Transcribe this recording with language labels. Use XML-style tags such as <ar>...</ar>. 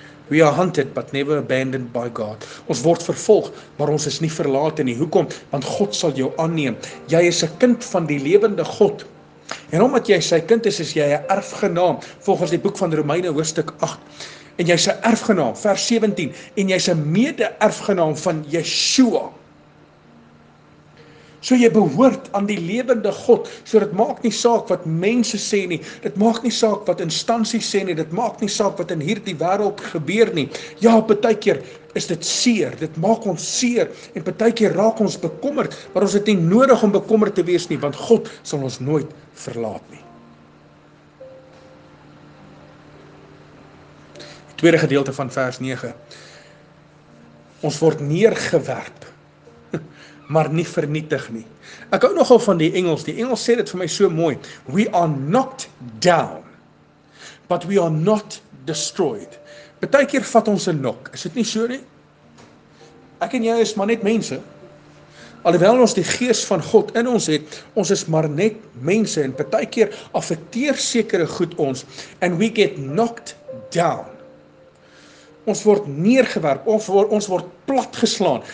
<en>We are hunted, but never abandoned by God.</en> <af>Ons word vervolg, maar ons is nie verlate nie. Hoekom? Want God sal jou aanneem. Jy is 'n kind van die lewende God. En omdat jy sy kind is, is jy 'n erfgenaam, volgens die boek van Romeine hoofstuk 8. En jy is 'n erfgenaam, vers 17. En jy is 'n mede-erfgenaam van Yeshua. So jy behoort aan die lewende God, so dit maak nie saak wat mense sê nie, dit maak nie saak wat instansies sê nie, dit maak nie saak wat in hierdie wêreld gebeur nie. Ja, partykeer is dit seer, dit maak ons seer en partykeer raak ons bekommerd, maar ons het nie nodig om bekommerd te wees nie, want God sal ons nooit verlaat nie. Die tweede gedeelte van vers 9. Ons word neergewerp, maar nie vernietig nie. Ek hou nogal van die Engels. Die Engels sê dit vir my so mooi.</af> <en>We are knocked down, but we are not destroyed.</en> <af>Partykeer vat ons 'n nok. Is dit nie so nie? Ek en jy is maar net mense. Alhoewel ons die Gees van God in ons het, ons is maar net mense en partykeer affekteer sekere goed ons</af> <en>and we get knocked down.</en> <af>Ons word neergewerp, ons word platgeslaan.</af>